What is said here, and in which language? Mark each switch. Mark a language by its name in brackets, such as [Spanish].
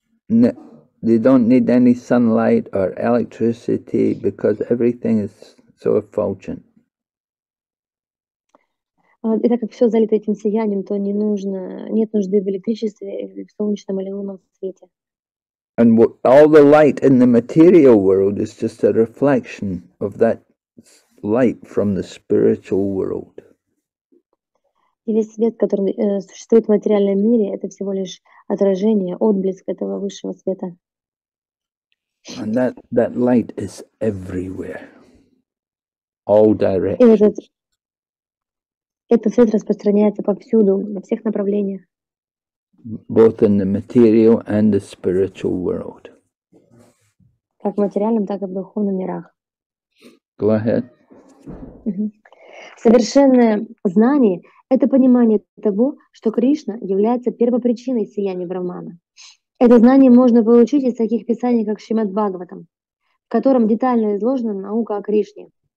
[English] They don't need any sunlight or electricity because everything is so effulgent. [Russian] И так как все залито этим сиянием, то не нужно, нет нужды в электричестве, в солнечном или лунном свете. [English] And all the light in the material world is just a reflection of that light from the spiritual world. [Russian] И весь свет, который существует в материальном мире, это всего лишь отражение, отблеск этого высшего света. [English] And that light is everywhere. All directions. [Russian] Этот свет распространяется повсюду, на всех направлениях. [English] Both in the material and the spiritual world. [Russian] Как в материальном, так и в духовных мирах. [English] Go ahead. [Russian] Совершенное знание — это понимание того, что Кришна является первопричиной сияния Брахмана. Это знание можно получить из таких писаний, как Шримад Бхагаватам, в котором детально изложена наука о Кришне.